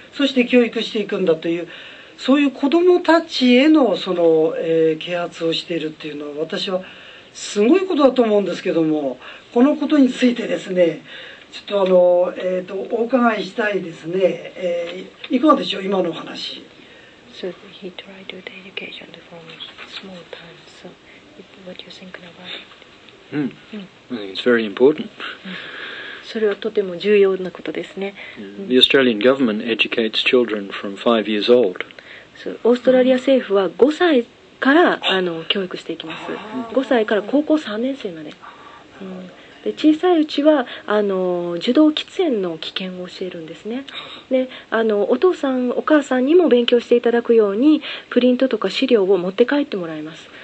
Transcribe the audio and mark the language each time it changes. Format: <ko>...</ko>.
<ja>そして教育していくんだという、そういう子供たちへの、啓発をしているというのは、私はすごいことだと思うんですけども、このことについてですね、ちょっとお伺いしたいですね、いかがでしょう、今のお話。</ja> <en>So he tried to do the education from small time, so what do you think about it? I think it's very important.</en> <ja>それはとても重要なことですね。</ja> <en>The Australian government educates children from 5 years old. So,</en> <ja>オーストラリア政府は5歳から教育していきます。 5歳から高校3年生まで。で小さいうちは受動喫煙の危険を教えるんですね。でお父さんお母さんにも勉強していただくようにプリントとか資料を持って帰ってもらいます。</ja>